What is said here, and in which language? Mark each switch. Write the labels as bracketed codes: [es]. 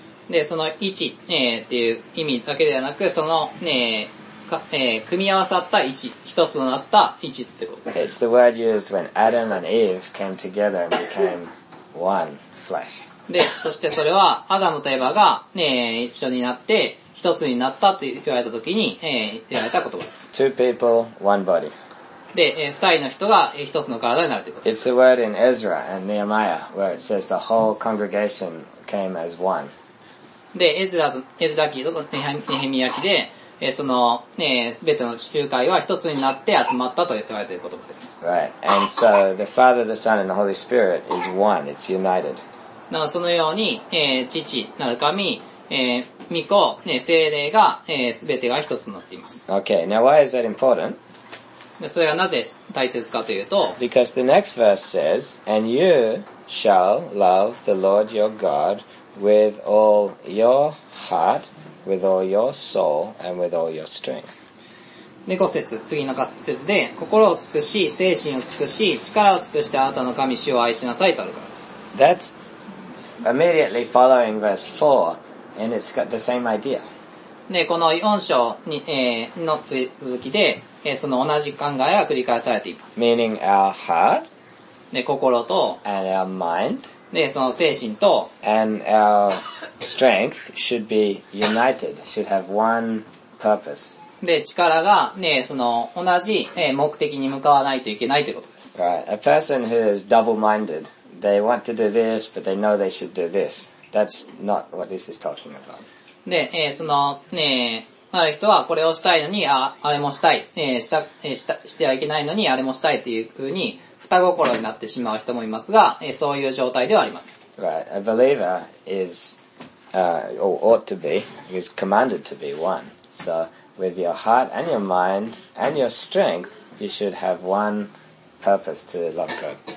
[ja] で、その一、っていう意味だけではなく、その、ね、組み合わさった一つとなった一ってことです。 [en] Okay, it's the word used when Adam and Eve came together and became one flesh. [ja] で、そしてそれはアダムとエヴァが、一緒になって一つになったと言われたときに、言われた言葉です。 [en] Two people, one body. [ja] で、二人の人が一つの体になるということです。 [en] It's the word in Ezra and Nehemiah where it says the whole congregation came as one. [ja] で、エズラ記とネヘミヤ記で。その、全ての地球界は一つになって集まったと言われている言葉です。 [en] Right. And so, the Father, the Son, and the Holy Spirit is one. It's united. [ja] なのでそのように、父なる神、御子、聖霊が、全てが一つになっています。 [en] Okay. Now, why is that important? [ja] それがなぜ大切かというと、 [en] Because the next verse says, And you, shall love the Lord your God with all your heart, with all your soul, and with all your strength. [ja] で、5節、次の節で、心を尽くし、精神を尽くし、力を尽くしてあなたの神、主を愛しなさいとあるからです。 [en] That's immediately following verse 4, and it's got the same idea. [ja] で、この4章に、の続きで、その同じ考えが繰り返されています。 [en] Meaning our heart, [ja] で、心と、 [en] and our mind, [ja] で、その精神と、 [en] and our strength should be united, should have one purpose. [ja] で、力がね、その、同じ目的に向かわないといけないということです。 [en] Right. A person who is double-minded, they want to do this, but they know they should do this. That's not what this is talking about. [ja] で、その、ね、ある人はこれをしたいのに、あれもしたい、してはいけないのに、あれもしたいというふうに、二心になってしまう人もいますが、そういう状態ではあります。 [en] Right. A believer is, or ought to be, is commanded to be one. So,With your heart and your mind and your strength, you should have one purpose to love God.